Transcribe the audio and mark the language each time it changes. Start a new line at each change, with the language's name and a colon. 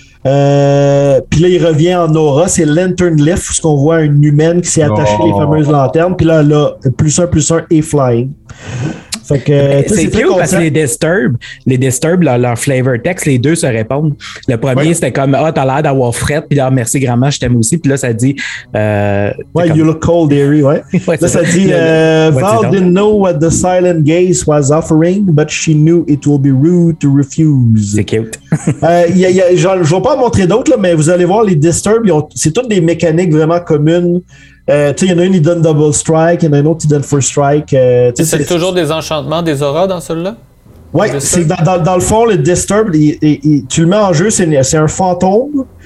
French: Puis là, il revient en aura. C'est Lantern Lift, où on voit une humaine qui s'est attachée les fameuses lanternes. Puis là, elle a +1/+1 et Flying. Fait que, c'est cute parce que les Disturb, leur flavor text, les deux se répondent. Le premier, c'était comme ah, t'as l'air d'avoir fret. Puis là, merci grand-mère, je t'aime aussi. Puis là, ça dit
English: You look cold, dearie.
French: Ouais. Là, ça dit
English: Val didn't know what the silent gaze was offering, but she knew it will be rude to refuse.
French: C'est cute. Je vais pas en montrer d'autres, là, mais vous allez voir, les Disturb, c'est toutes des mécaniques vraiment communes. Il y en a une qui donne double strike, il y en a une autre qui donne first strike. C'est toujours des enchantements, des auras dans celui-là? Oui, dans le fond, le Disturb, tu le mets en jeu, c'est un fantôme.